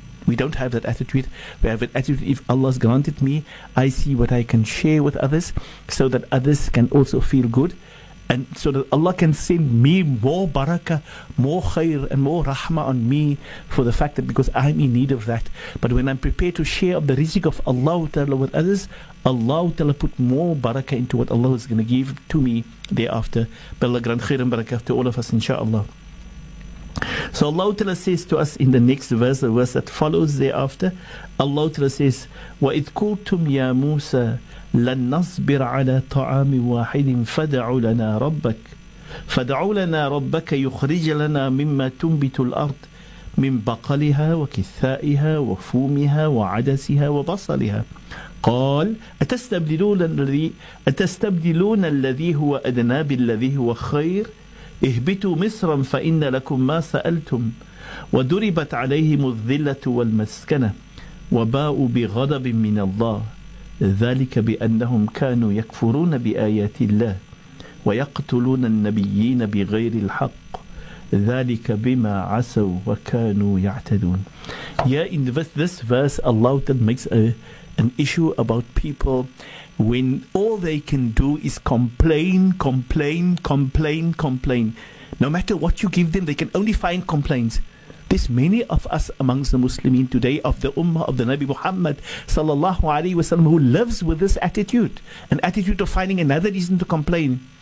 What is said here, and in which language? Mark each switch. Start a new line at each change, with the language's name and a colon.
English: We don't have that attitude. We have an attitude, if Allah's granted me, I see what I can share with others so that others can also feel good and so that Allah can send me more barakah, more khair and more rahmah on me for the fact that because I'm in need of that. But when I'm prepared to share of the rizq of Allah Ta'ala with others, Allah Ta'ala put more barakah into what Allah is going to give to me thereafter. May Allah grant khair and barakah to all of us, inshaAllah. So Allah Ta'ala says to us in the next verse, the verse that follows thereafter, Allah Ta'ala says,
Arabic: وَإِذْ قُلْتُمْ يَا مُوسَى لَنْ نَصْبِرْ عَلَىٰ طَعَامٍ وَاحِدٍ فَدَعُوا لَنَا رَبَّكَ يُخْرِجْ لَنَا مِمَّا تُنْبِتُ الْأَرْضِ مِنْ بَقَلِهَا وَكِثَّائِهَا وَفُومِهَا وَعَدَسِهَا وَبَصَلِهَا قال أتستبدلون الذي هو أدنى بالذي هو خير اهبتوا مصرا فإن لكم ما سألتم وضربت عليهم الذلة والمسكنة وباءوا بغضب من الله ذلك بأنهم كانوا يكفرون بآيات الله ويقتلون النبيين بغير الحق ذلك بما عسوا وكانوا يعتدون.
English: Yeah, in this verse Allah makes an issue about people when all they can do is complain. No matter what you give them, they can only find complaints. There's many of us amongst the Muslimin today of the Ummah of the Nabi Muhammad sallallahu alaihi wasallam who lives with this attitude, an attitude of finding another reason to complain.